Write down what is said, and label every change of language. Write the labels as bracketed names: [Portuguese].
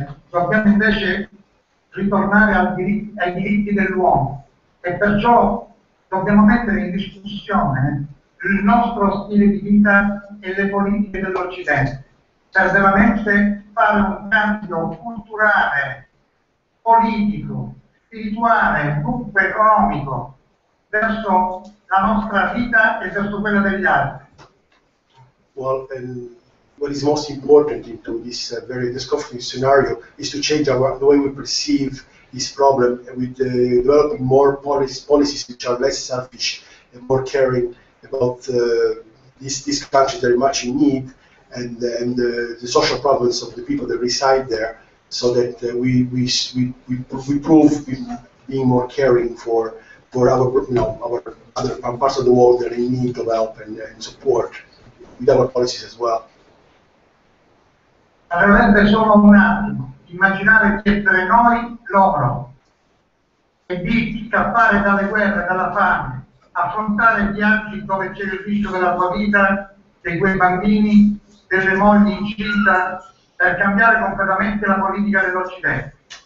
[Italian] Dobbiamo invece ritornare ai diritti dell'uomo e perciò dobbiamo mettere in discussione il nostro stile di vita e le politiche dell'Occidente per veramente fare un cambio culturale, politico, spirituale, dunque economico verso la nostra vita e verso quella degli altri. [English] Well, what is most important into this very discouraging scenario is to change the way we perceive this problem with developing more policies which are less selfish and more caring about these countries that are much in need and the social problems of the people that reside there, so that we prove being more caring for our other parts of the world that are in need of help and support with our policies as well. [Italian] Veramente solo un attimo, immaginare di essere noi loro e di scappare dalle guerre, dalla fame, affrontare viaggi dove c'è il rischio della tua vita, dei quei bambini, delle mogli incinta, per cambiare completamente la politica dell'Occidente.